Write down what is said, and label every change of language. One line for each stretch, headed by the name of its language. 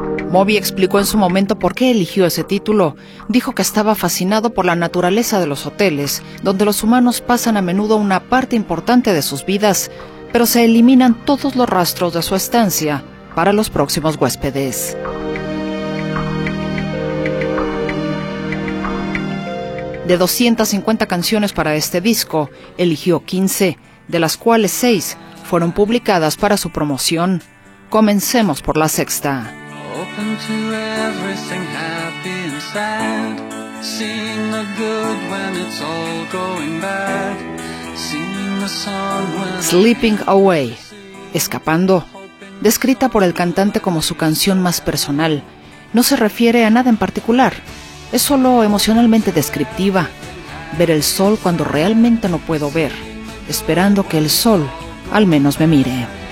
Spanish: Moby explicó en su momento por qué eligió ese título. Dijo que estaba fascinado por la naturaleza de los hoteles, donde los humanos pasan a menudo una parte importante de sus vidas, pero se eliminan todos los rastros de su estancia para los próximos huéspedes. De 250 canciones para este disco, eligió 15, de las cuales 6 fueron publicadas para su promoción. Comencemos por la sexta.
English: Open to everything happy and sad, seeing the good when it's all going bad, seeing the sun when Sleeping Away, escapando.
Spanish: Descrita por el cantante como su canción más personal, no se refiere a nada en particular, es solo emocionalmente descriptiva. Ver el sol cuando realmente no puedo ver, esperando que el sol al menos me mire.